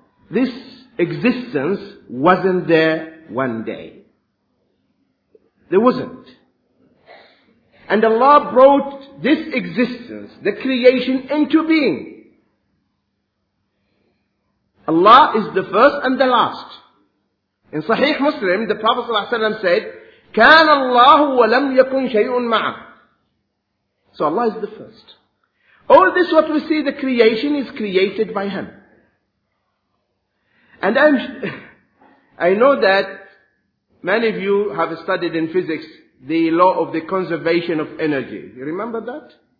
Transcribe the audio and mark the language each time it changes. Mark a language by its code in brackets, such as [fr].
[en] This existence wasn't there one day. There wasn't. And Allah brought this existence, the creation, into being. Allah is the first and the last. In Sahih Muslim, the Prophet ﷺ said, [ar] كَانَ اللَّهُ وَلَمْ يَكُنْ شَيْءٌ مَعَهُ. [en] So Allah is the first. All this what we see, the creation is created by Him. And I know that many of you have studied in physics the law of the conservation of energy. You remember that?